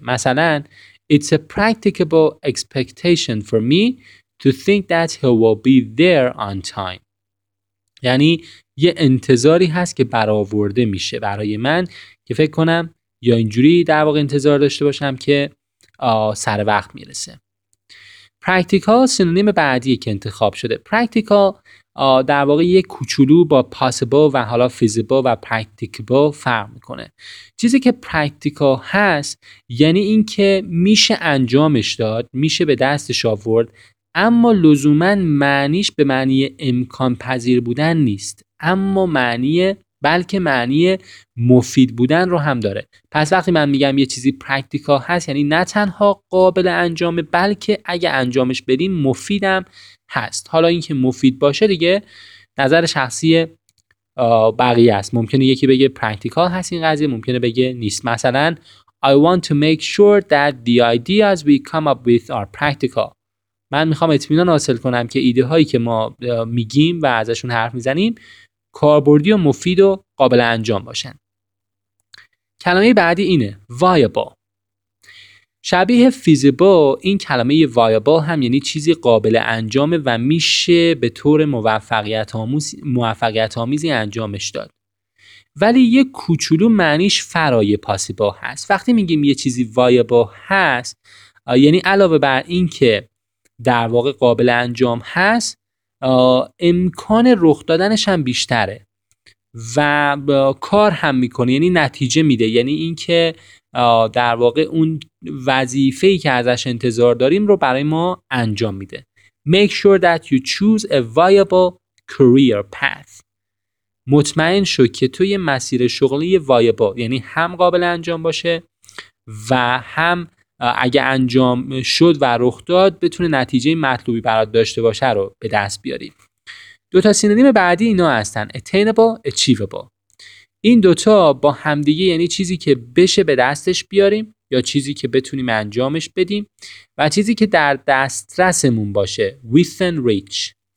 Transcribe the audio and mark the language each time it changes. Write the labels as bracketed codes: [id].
[fa] مثلا [en] It's a practicable expectation for me to think that he will be there on time. [fa] یعنی یه انتظاری هست که برآورده میشه برای من که فکر کنم یا اینجوری در واقع انتظار داشته باشم که سر وقت میرسه. Practical سینونیم بعدی که انتخاب شده. Practical در واقع یه کوچولو با possible و حالا feasible و practicable فرق میکنه. چیزی که practical هست یعنی این که میشه انجامش داد، میشه به دستش آورد، اما لزوماً معنیش به معنی امکان پذیر بودن نیست، اما معنی، بلکه معنی مفید بودن رو هم داره. پس وقتی من میگم یه چیزی practical هست یعنی نه تنها قابل انجامه، بلکه اگه انجامش بدیم مفیدم هست. حالا اینکه مفید باشه دیگه نظر شخصی بقیه است. ممکنه یکی بگه practical هست این قضیه، ممکنه بگه نیست. مثلا [en] I want to make sure that the ideas we come up with are practical. [fa] من میخوام اطمینان حاصل کنم که ایده هایی که ما میگیم و ازشون حرف میزنیم کاربردی و مفید و قابل انجام باشن. کلمه بعدی اینه viable. شبیه feasible این کلمه viable هم یعنی چیزی قابل انجام و میشه به طور موفقیت آمیزی انجامش داد. ولی یه کوچولو معنیش فرای possible هست. وقتی میگیم یه چیزی viable هست یعنی علاوه بر این که در واقع قابل انجام هست امکان رخ دادنش هم بیشتره و کار هم میکنه، یعنی نتیجه میده، یعنی این که در واقع اون وظیفه‌ای که ازش انتظار داریم رو برای ما انجام میده. [en] Make sure that you choose a viable career path. [fa] مطمئن شو که توی مسیر شغلی viable، یعنی هم قابل انجام باشه و هم اگه انجام شد و رخ داد بتونه نتیجه مطلوبی برات داشته باشه رو به دست بیاری. دوتا سینونیم بعدی اینا هستن attainable, achievable. این دوتا با همدیگه یعنی چیزی که بشه به دستش بیاریم یا چیزی که بتونیم انجامش بدیم و چیزی که در دسترسمون باشه [en] within reach.